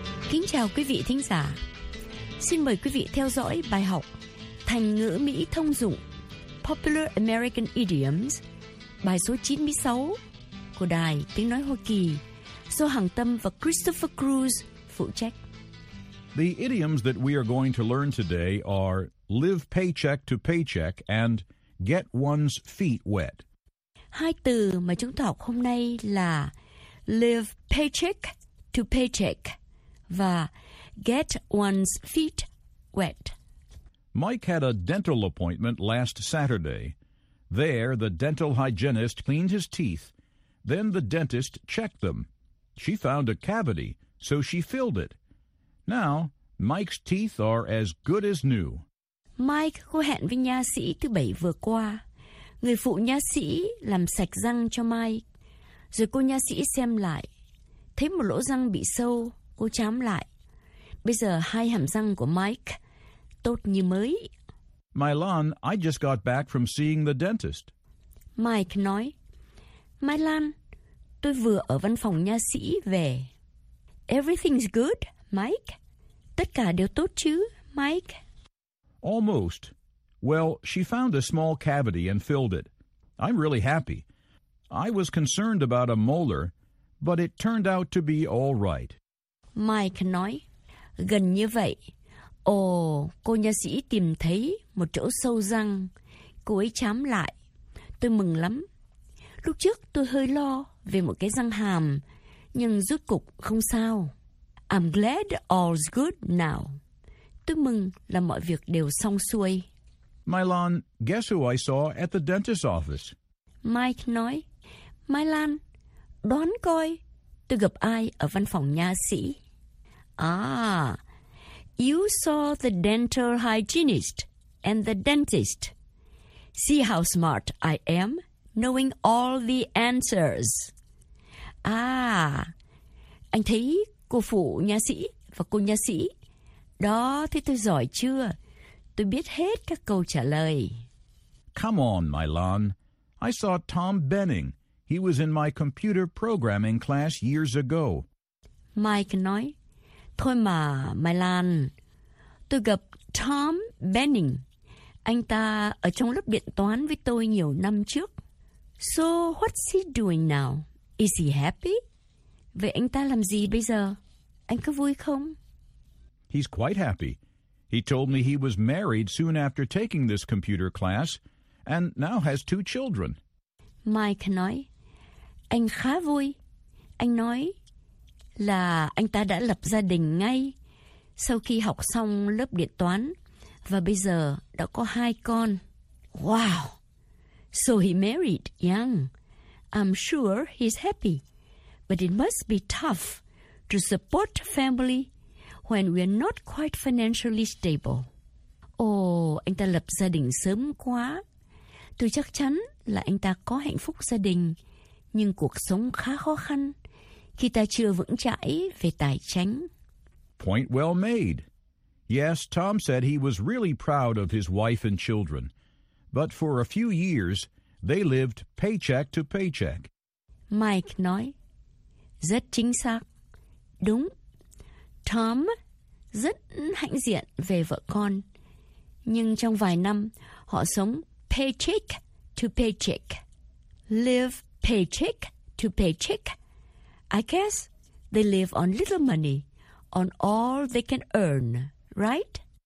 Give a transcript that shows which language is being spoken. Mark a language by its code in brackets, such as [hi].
[vi] Kính chào quý vị thính giả. Xin mời quý vị theo dõi bài học Thành ngữ Mỹ thông dụng [en] Popular American Idioms, [vi] bài số 96 của Đài Tiếng Nói Hoa Kỳ do Hằng Tâm và Christopher Cruz phụ trách. [en] The idioms that we are going to learn today are live paycheck to paycheck and get one's feet wet. [vi] Hai từ mà chúng ta học hôm nay là [en] live paycheck to paycheck [vi] và [en] get one's feet wet. Mike had a dental appointment last Saturday. There, the dental hygienist cleaned his teeth. Then the dentist checked them. She found a cavity so she filled it. Now, Mike's teeth are as good as new. [vi] Mike hứa hẹn với nha sĩ thứ bảy vừa qua. Người phụ nha sĩ làm sạch răng cho Mike. Rồi cô nha sĩ xem lại. Thấy một lỗ răng bị sâu, cô chám lại. Bây giờ hai hàm răng của Mike tốt như mới. [en] Mylan, I just got back from seeing the dentist. [vi] Mike nói, Mylan, tôi vừa ở văn phòng nha sĩ về. [en] Everything's good, Mike. [vi] Tất cả đều tốt chứ, Mike? [en] Almost. Well, she found a small cavity and filled it. I'm really happy. I was concerned about a molar, but it turned out to be all right. [vi] Mike nói, gần như vậy. Ồ, cô nha sĩ tìm thấy một chỗ sâu răng. Cô ấy chám lại. Tôi mừng lắm. Lúc trước tôi hơi lo về một cái răng hàm, nhưng rốt cục không sao. [en] I'm glad all's good now. [vi] Tôi mừng là mọi việc đều xong xuôi. [en] Mylan, guess who I saw at the dentist's office? [vi] Mike nói, Mylan, đoán coi tôi gặp ai ở văn phòng nha sĩ. [en] Ah, you saw the dental hygienist and the dentist. See how smart I am, knowing all the answers. [vi] Ah, anh thấy cô phụ nha sĩ và cô nha sĩ. Đó, thế tôi giỏi chưa? Tôi biết hết các câu trả lời. [en] Come on, Mylan. I saw Tom Benning. He was in my computer programming class years ago. [vi] Mike nói, thôi mà, Mylan. Tôi gặp Tom Benning. Anh ta ở trong lớp điện toán với tôi nhiều năm trước. [en] So, what's he doing now? Is he happy? [vi] Vậy anh ta làm gì bây giờ? Anh có vui không? [en] He's quite happy. He told me he was married soon after taking this computer class and now has two children. [vi] Mike nói, anh khá vui. Anh nói là anh ta đã lập gia đình ngay sau khi học xong lớp điện toán và bây giờ đã có hai con. [en] Wow! So he married young. I'm sure he's happy. But it must be tough to support family when we're not quite financially stable. [vi] Anh ta lập gia đình sớm quá. Tôi chắc chắn là anh ta có hạnh phúc gia đình, nhưng cuộc sống khá khó khăn khi ta chưa vững chãi về tài chính. [en] Point well made. Yes, Tom said he was really proud of his wife and children. But for a few years, they lived paycheck to paycheck. [vi] Mike nói, rất chính xác. Đúng. Tom rất hãnh diện về vợ con. Nhưng trong vài năm, họ sống [en] paycheck to paycheck. Live paycheck to paycheck. I guess they live on little money, on all they can earn, right?